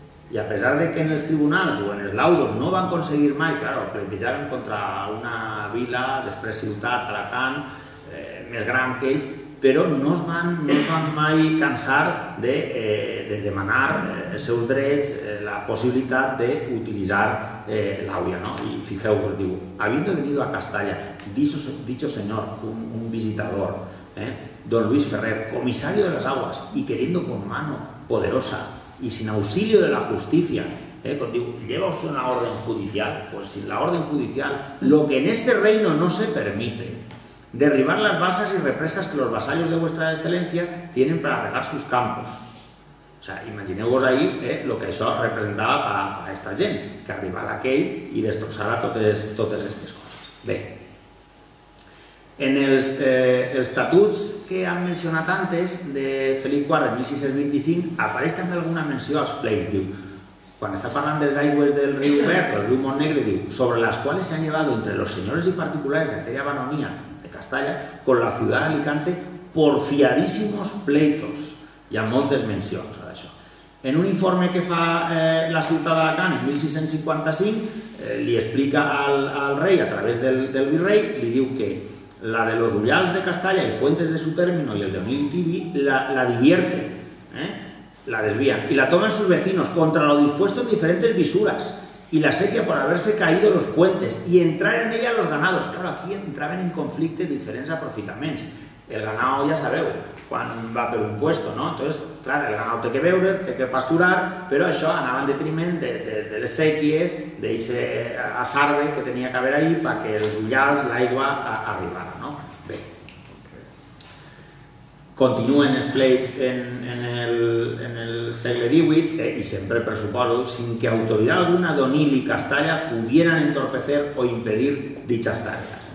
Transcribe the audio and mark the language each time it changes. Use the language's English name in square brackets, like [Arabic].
[Catalan] I a pesar de que en els tribunals o en els laudos no van aconseguir mai, claro, plantejaven contra una vila, després ciutat, Alacant, més gran que ells, però no es van mai cansar de demanar els seus drets, la possibilitat d'utilitzar l'àvia, no? I fijeu-vos, diu, [Spanish] habiendo venido a Castalla, dicho señor, un visitador, don Luis Ferrer, comisario de las aguas, y queriendo con mano poderosa y sin auxilio de la justicia, contigo, lleva usted una orden judicial, pues sin la orden judicial, lo que en este reino no se permite, derribar las balsas y represas que los vasallos de vuestra excelencia tienen para regar sus campos. O sea, imagineu-vos ahí lo que eso representaba para esta gente, que arribara aquel y destrozara totes estas cosas. [Catalan] Bé. En els estatuts que han mencionat antes de Felip IV de 1625 apareix també alguna menció als pleis, diu, quan està parlant dels aigües del riu Verd, el riu Montnegre, diu, sobre les quals s'han llevat entre els senyors i particulars d'aquella baronia de Castalla [Spanish] con la ciutat d'Alicante porfiadíssimos pleitos. [Catalan] Hi ha moltes mencions a això. En un informe que fa la ciutat d'Alacant en 1655 li explica al rei a través del virrei, li diu que [Spanish] la de los Ullals de Castalla y Fuentes de su término y el de Onil y Tibi la divierte, la desvía y la toman sus vecinos contra lo dispuesto en diferentes visuras y la sequía por haberse caído los puentes y entrar en ella los ganados. Claro, aquí entraban en conflicto diferentes aprovechamientos. El ganado [Catalan] ya sabeu, quan va per [Spanish] un puesto, ¿no? [Catalan] Entonces, claro, el ganado té que beure, té que pasturar, però això anava en detriment de les sèquies, d'aquest asarbe que tenia que haver ahí perquè els ullals, l'aigua, arribara, ¿no? Bé. Continuen els pleits en el segle XVIII i sempre, per suposo, [Spanish] sin que autoridad alguna d'Onil i Castalla pudieran entorpecer o impedir dichas tareas.